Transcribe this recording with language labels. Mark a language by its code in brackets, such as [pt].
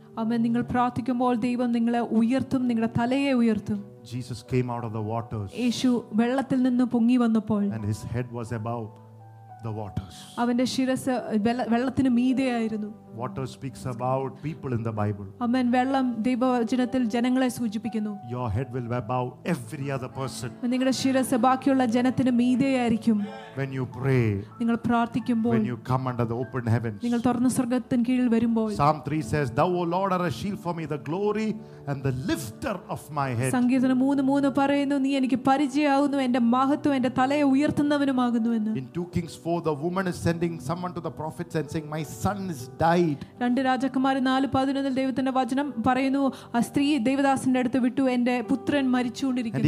[ml] amen നിങ്ങൾ പ്രാർത്ഥിക്കുമ്പോൾ ദൈവം നിങ്ങളെ ഉയർത്തും നിങ്ങളുടെ തലയെ ഉയർത്തും [en] Jesus came out of the waters. [ml] യേശു വെള്ളത്തിൽ നിന്ന് പൊങ്ങി വന്നപ്പോൾ [en] and his head was above the waters. [ml] അവന്റെ ശിരസ് വെള്ളത്തിനു മീതെയായിരുന്നു. [en] Water speaks about people in the Bible. [ml] അമ്മേൻ വെള്ളം ദൈവവചനത്തിൽ ജനങ്ങളെ സൂചിപ്പിക്കുന്നു. [en] Your head will be above every other person. [ml] നിങ്ങളുടെ ശിരസ് ബാക്കിയുള്ള ജനത്തിനു മീതെയായിരിക്കും. [en] When you pray. [ml] നിങ്ങൾ പ്രാർത്ഥിക്കുമ്പോൾ [en] When you come under the open heavens. [ml] നിങ്ങൾ തുറന്ന സ്വർഗ്ഗത്തിൻ കീഴിൽ വരുമ്പോൾ [en] Psalm 3 says, "Thou, O Lord, art a shield for me, the glory and the lifter of my head." [ml] സംഗീതം 3:3 പറയുന്നു, "നീ എനിക്ക് പരിചയമാകുന്നു, എൻ്റെ മഹത്വം എൻ്റെ തലയെ ഉയർത്തുന്നവനുമാകുന്നു" എന്ന്. [en] In 2 Kings 4, the woman is sending someone to the prophets and saying, "My son is dying." [ml] രണ്ട് രാജാക്കന്മാരെ 4:11 ദൈവത്തിന്റെ വചനം പറയുന്നു ആ സ്ത്രീ ദൈവദാസന്റെ അടുത്ത് വിട്ടു എന്റെ പുത്രൻ മരിച്ചുകൊണ്ടിരിക്കുന്നു